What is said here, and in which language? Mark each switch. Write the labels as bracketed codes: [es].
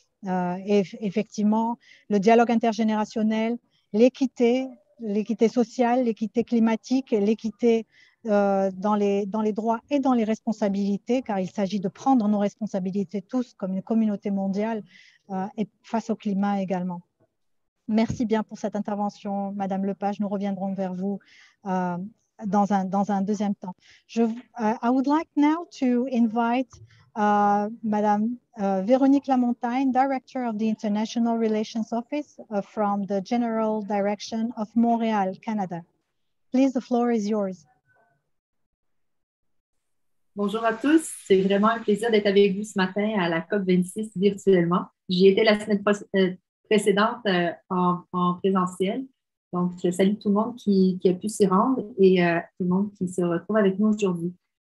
[fr] Et effectivement, le dialogue intergénérationnel, l'équité sociale, l'équité climatique, l'équité dans les droits et dans les responsabilités, car il s'agit de prendre nos responsabilités tous comme une communauté mondiale et face au climat également. Merci bien pour cette intervention, Madame Lepage. Nous reviendrons vers vous dans un deuxième temps. [en] I would like now to invite Madame Véronique Lamontagne, Director of the International Relations Office from the General Direction of Montreal, Canada. Please, the floor is yours. [fr] Bonjour à tous, c'est vraiment un plaisir d'être avec vous ce matin à la COP26 virtuellement. J'y étais la semaine précédente en présentiel, donc je salue tout le monde qui a pu s'y rendre et tout le monde qui se retrouve avec nous aujourd'hui.